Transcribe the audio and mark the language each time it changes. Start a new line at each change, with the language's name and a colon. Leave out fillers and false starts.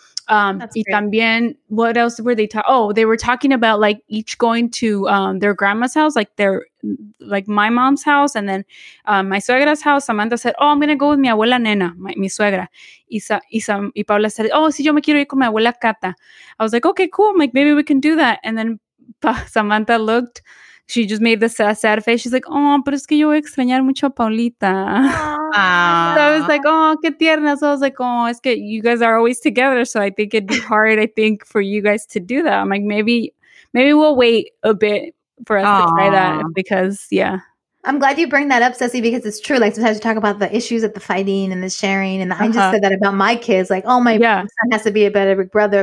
Spanish: Y también,
English: what else were they talking? Oh, they were talking about like each going to their grandma's house, like their, like my mom's house, and then my suegra's house. Samantha said, oh, I'm going to go with
Spanish: mi abuela Nena, mi suegra.
English: Y Paula said, oh,
Spanish: sí, yo me quiero ir con mi abuela Cata.
English: I was like, okay, cool. I'm like, maybe we can do that. And then Samantha looked, she just made the sad face. She's like, oh,
Spanish: pero es que yo voy a extrañar mucho a Paulita.
English: So I was like, oh,
Spanish: qué tierna.
English: So I was like, oh,
Spanish: es que
English: you guys are always together. So I think it'd be hard, I think, for you guys to do that. I'm like, maybe we'll wait a bit for us to try that because, yeah. I'm glad you bring that up, Ceci, because it's true. Like, sometimes you talk about the issues of the fighting and the sharing. And I just said that about my kids. Like, oh, my son has to be a better brother.